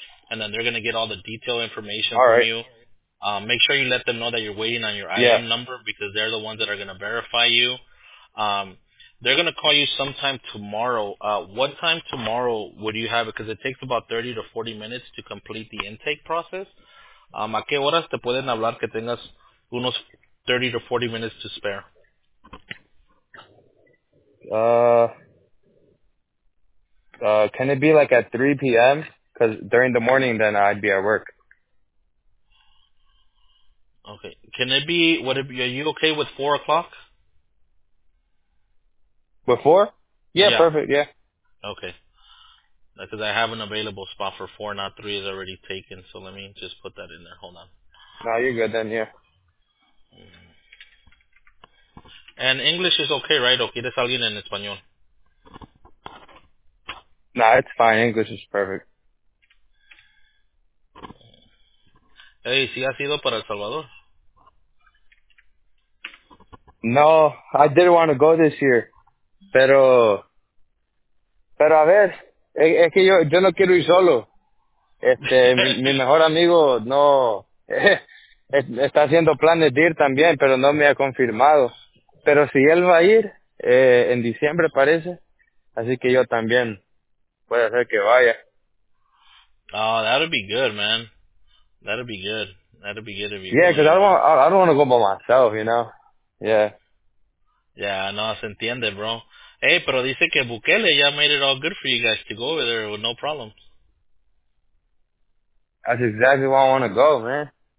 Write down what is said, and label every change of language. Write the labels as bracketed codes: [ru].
[en] And then they're going to get all the detailed information all from you. Make sure you let them know that you're waiting on your IM number, because they're the ones that are going to verify you. They're going to call you sometime tomorrow. What time tomorrow would you have it? Because it takes about 30 to 40 minutes to complete the intake process. [es] ¿A qué horas te pueden hablar que tengas unos [en] 30 to 40 minutes to spare? Can it be like at 3 p.m.? Because during the morning, then I'd be at work. Okay. Can it be, are you okay with 4 o'clock? Before? Yeah, perfect, yeah. Okay. Because I have an available spot for 4, not 3 is already taken, so let me just put that in there. Hold on. No, you're good then, yeah. And English is okay, right? [es] ¿O quieres alguien en español? [en] Nah, it's fine. English is perfect. [es] Hey, ¿sí has ido para El Salvador? [en] No, I did want to go this year. [es] Pero a ver, es que yo no quiero ir solo. mi mejor amigo no está haciendo planes de ir también, pero no me ha confirmado. Pero si él va a ir, en diciembre parece, así que yo también puede hacer que vaya. [en] Oh, that'd be good, man. That'd be good. That'd be good if you. Yeah, because I don't want to go by myself, you know. Yeah. [es] Yeah, no, se entiende, bro. [en] Hey, [es] pero dice que Bukele ya [en] made it all good for you guys to go over there with no problems. That's exactly why I want to go, man.